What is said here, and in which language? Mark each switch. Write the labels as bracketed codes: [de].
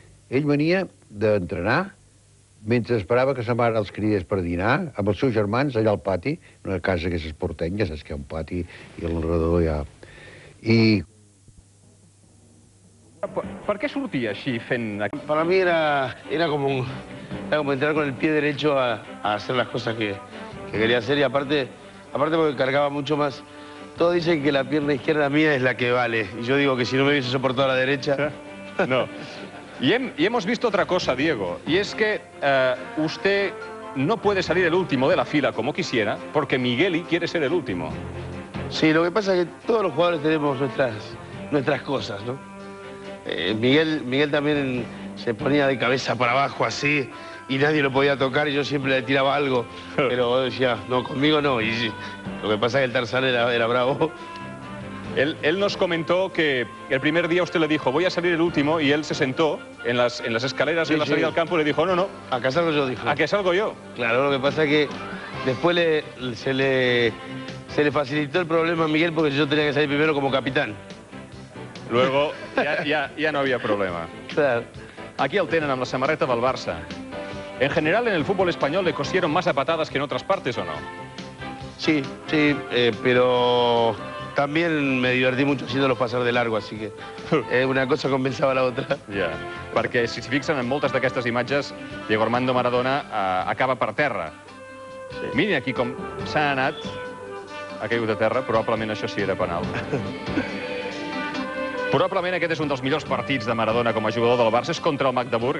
[ca] Ell venia d'entrenar mentre esperava que sa mare els cridés per dinar, amb els seus germans, allà al pati, en una casa que és porteny, ja saps que hi ha un pati i l'enredador hi ha... I... Per què sortia així, fent... Per a mi era com un... Era com entrar [es] con el pie derecho a hacer las cosas que quería hacer, y aparte... Aparte porque cargaba mucho más. Todos dicen que la pierna izquierda mía es la que vale. Y yo digo que si no me hubiese soportado la derecha... No. Y hemos visto otra cosa, Diego. Y es que usted no puede salir el último de la fila como quisiera, porque Migueli quiere ser el último. Sí, lo que pasa es que todos los jugadores tenemos nuestras cosas, ¿no? Miguel también se ponía de cabeza para abajo así, y nadie lo podía tocar, y yo siempre le tiraba algo. Pero decía, no, conmigo no. Y lo que pasa es que el Tarzán era bravo. Él nos comentó que el primer día usted le dijo, voy a salir el último, y él se sentó en las escaleras, sí, en la salida al campo, y le dijo, no, no. ¿A qué salgo yo? Dijo. ¿A qué salgo yo? Claro, lo que pasa es que después se le facilitó el problema a Miguel, porque yo tenía que salir primero como capitán. Luego ya no había problema. Claro. [ca] Aquí el tenen amb la samarreta del Barça. [es] En general, en el fútbol español le cosieron más a patadas que en otras partes, ¿o no? Sí, sí, pero también me divertí mucho haciéndolos pasar de largo, así que una cosa compensaba la otra. [ca] Ja, perquè si s'hi fixen en moltes d'aquestes imatges, Diego Armando Maradona acaba per terra. Mira aquí com s'ha anat, ha caigut a terra, probablement això sí era penal. Probablement aquest és un dels millors partits de Maradona com a jugador del Barça, és contra el Magdeburg.